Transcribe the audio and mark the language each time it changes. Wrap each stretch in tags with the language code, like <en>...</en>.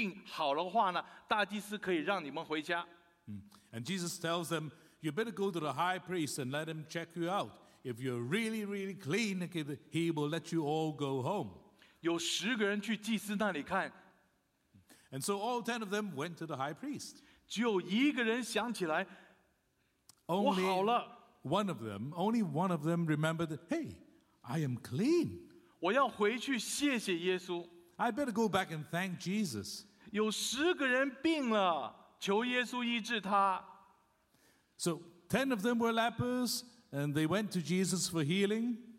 <zh>耶稣说：“你们去大祭司那边去做一个检查，如果你们这个病好了话呢，大祭司可以让你们回家。”</zh> <en>And Jesus tells them, "You better go to the high priest and let him check you out. If you're really, really clean, he will let you all go home."</en> <zh>有十个人去祭司那里看。</zh> <en>And so all 10 of them went to the high priest.</en> <zh>只有一个人想起来， 我好了。</zh> <en>Only one of them remembered, "Hey, I am clean.</en> <zh>我要回去谢谢耶稣。</zh> <en>I better go back and thank Jesus."</en> <zh>有十个人病了， 求耶稣医治他。</zh> <en>So 10 of them were lepers, and they went to Jesus for healing.</en>